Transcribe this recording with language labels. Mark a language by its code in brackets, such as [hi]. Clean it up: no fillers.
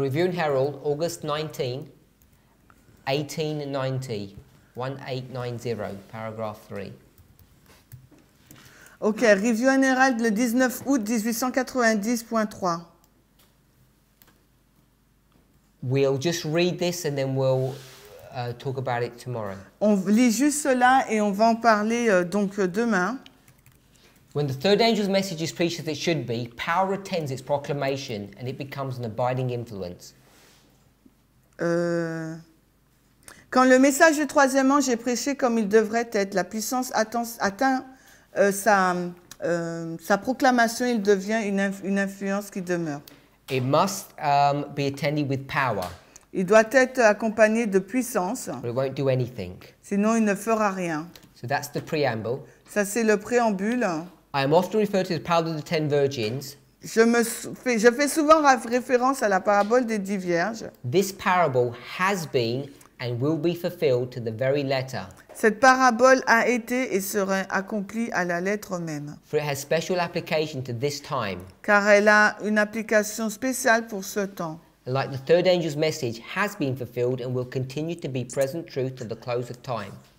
[en] Review and Herald, August 19th, 1890, 1890, paragraph 3. [fr] Ok, Review and Herald le 19 août 1890.3. [en] We'll just read this and then we'll talk about it tomorrow. [fr] On lit juste cela et on va en parler donc demain. [en] When the third angel's message is preached as it should be, power attends its proclamation and it becomes an abiding influence. [fr] Quand le message du troisième ange est prêché comme il devrait être, la puissance atteint. Sa proclamation, il devient une influence qui demeure. [en] It must be attended with power. [fr] Il doit être accompagné de puissance. [en] But it won't do anything. [fr] Sinon, il ne fera rien. [en] So that's the preamble. [fr] Ça, c'est le préambule. [en] I am often referred to the parable of the ten virgins. [fr] Je fais souvent référence à la parabole des dix vierges. [en] This parable has been and will be fulfilled to the very letter. [fr] Cette parabole a été et sera accomplie à la lettre même. [en] For it has special application to this time. [fr] Car elle a une application spéciale pour ce temps. [en] Like the third angel's message has been fulfilled and will continue to be present truth to the close of time.